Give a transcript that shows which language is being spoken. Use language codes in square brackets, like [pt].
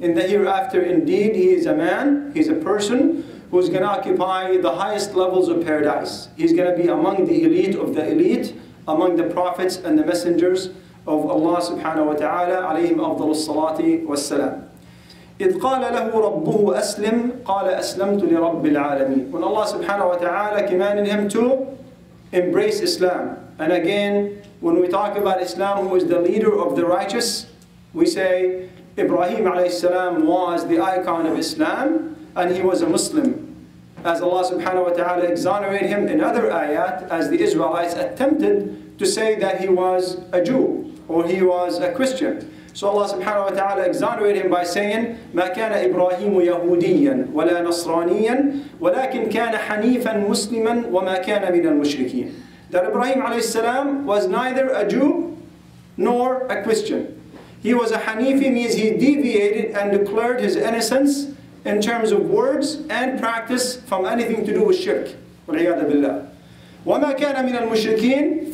[en] In the hereafter, indeed, he is a man, he is a person who is going to occupy the highest levels of paradise. He's going to be among the elite of the elite, among the prophets and the messengers of Allah subhanahu wa ta'ala, [ar] عليهم أفضل الصلاة والسلام. إذ قال له ربه أسلم قال أسلمت لرب العالمين. [en] When Allah subhanahu wa ta'ala commanded him to embrace Islam. And again, when we talk about Islam, who is the leader of the righteous, we say Ibrahim alayhi salam was the icon of Islam and he was a Muslim. As Allah subhanahu wa ta'ala exonerated him in other ayat, as the Israelites attempted to say that he was a Jew or he was a Christian. So Allah subhanahu wa ta'ala exonerated him by saying, [ar] ما كان إبراهيم يهوديا ولا نصرانيا ولكن كان حنيفا مسلما وما كان من المشركين. [en] That Ibrahim alayhi salam was neither a Jew nor a Christian. He was a Hanifi, means he deviated and declared his innocence in terms of words and practice from anything to do with shirk. [ar] وَالْعِيَادَ بِاللَّهِ. وَمَا كَانَ مِنَ الْمُشْرِكِينَ.